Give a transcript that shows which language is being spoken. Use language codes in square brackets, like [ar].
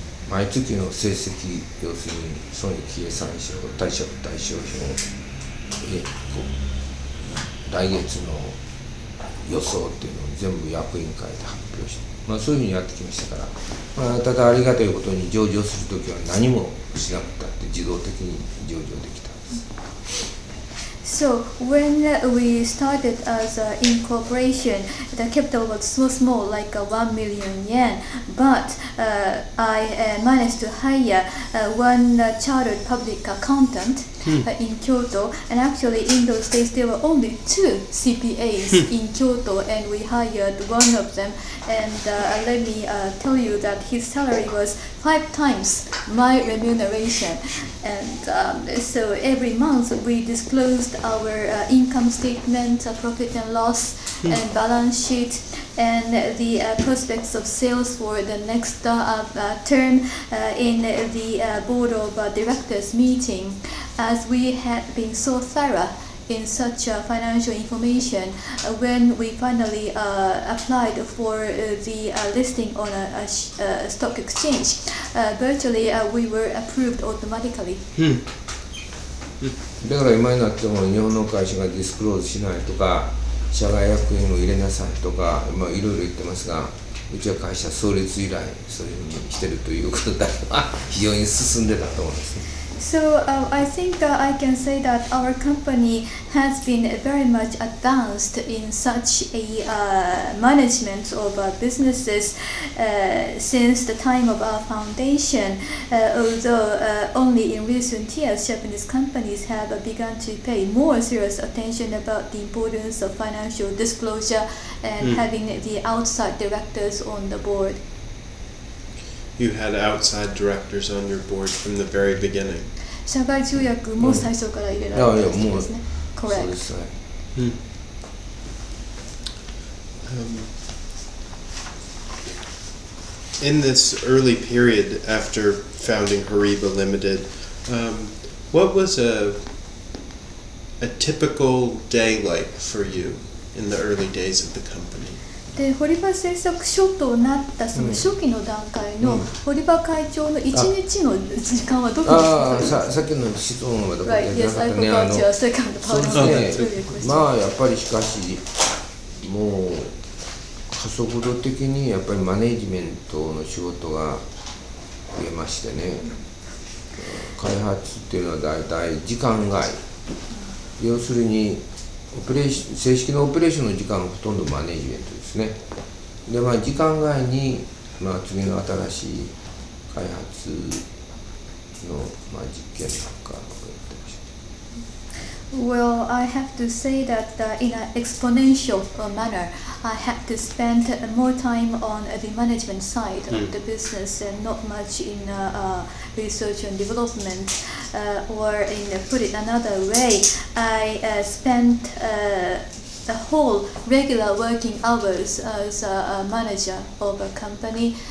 [ja] 毎月の成績、要するに損益計算書、貸借対照表、来月の予想っていうのを全部役員会で発表して、まあ、そういうふうにやってきましたから、まあ、ただありがたいことに上場するときは何もしなくたって自動的に上場できたんです。 [en] So when we started as an incorporation, the capital was so small, like 1 million yen. But I managed to hire one chartered public accountant in Kyoto. And actually in those days, there were only two CPAs in Kyoto, and we hired one of them. And let me tell you that his salary was 5 times my remuneration. And so every month we disclosed our income statement, profit and loss, and balance sheet, and the prospects of sales for the next term in the board of directors meeting. As we had been so thorough in such financial information, when we finally applied for the listing on a stock exchange, virtually we were approved automatically. [ja] だから今になっても日本の会社がディスクローズしないとか社外役員を入れなさいとかいろいろ言ってますが、うちは会社創立以来そういうふうにしてるということだけは非常に進んでたと思うんですね。 [en] So I think I can say that our company has been very much advanced in such a management of businesses since the time of our foundation. Although only in recent years, Japanese companies have begun to pay more serious attention about the importance of financial disclosure and having the outside directors on the board. You had outside directors on your board from the very beginning. [ja] 社外重役も最初から入れられたんですね。 [en] Correct. [ja] そうですね。 [en] In this early period after founding Horiba Limited, what was a typical day like for you in the early days of the company? [ja] で、堀場製作所となったその初期の段階の堀場会長の1日の時間はどこでしたか、うん、さっきの質問はどこでしたか、ね、そうですね、まあやっぱりしかしもう加速度的にやっぱりマネジメントの仕事が増えましてね、開発っていうのはだいたい時間外、要するにオペレーション、正式のオペレーションの時間はほとんどマネジメントですね。で、まあ、時間外に、まあ、次の新しい開発の、まあ、実験なんかやってました。 [en] Well, I have to say that in an exponential manner, I had to spend more time on the management side of the business and not much in research and development. Or in put it another way, I spent the whole regular working hours as a manager of a company.